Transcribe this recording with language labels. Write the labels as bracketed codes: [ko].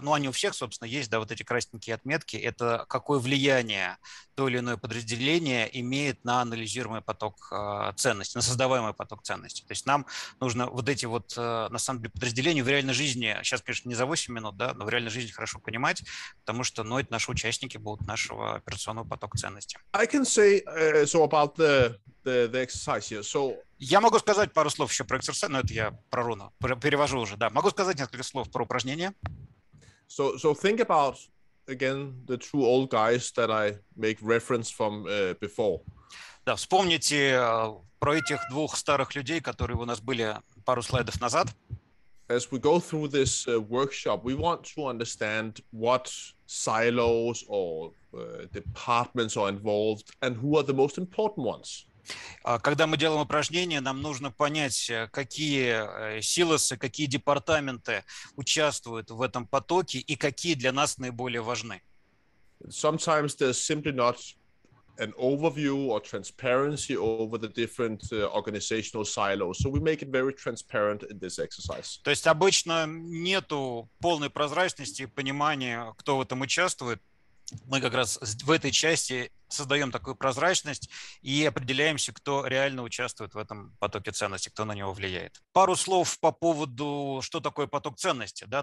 [ru] Ну, они у всех, собственно, есть, да, вот эти красненькие отметки. Это какое влияние то или иное подразделение имеет на анализируемый поток ценностей, на создаваемый поток ценностей. То есть нам нужно вот эти вот на самом деле подразделения в реальной жизни, сейчас, конечно, не за 8 минут, да, но в реальной жизни хорошо понимать, потому что, ну, это наши участники будут нашего операционного потока ценности. [en] I can say so about the exercise here. So... [ru] Я могу сказать пару слов еще про экзерсайз, но это я про руну, перевожу уже, да. Могу сказать несколько слов про упражнение. [en] So think about, again, the two old guys that I make reference from before. [ru] Да, вспомните про этих двух старых людей, которые у нас были пару слайдов назад. [en] As we go through this workshop, we want to understand what silos or departments are involved and who are the most important ones. [ru] Когда мы делаем упражнение, нам нужно понять, какие силосы, какие департаменты участвуют в этом потоке и какие для нас наиболее важны. [en] Sometimes there's simply not an overview or transparency over the different organizational silos. So we make it very transparent in this exercise. [ru] То есть обычно нету полной прозрачности и понимания, кто в этом участвует. Мы как раз в этой части создаем такую прозрачность и определяемся, кто реально участвует в этом потоке ценностей, кто на него влияет. Пару слов по поводу, что такое поток ценности. Да?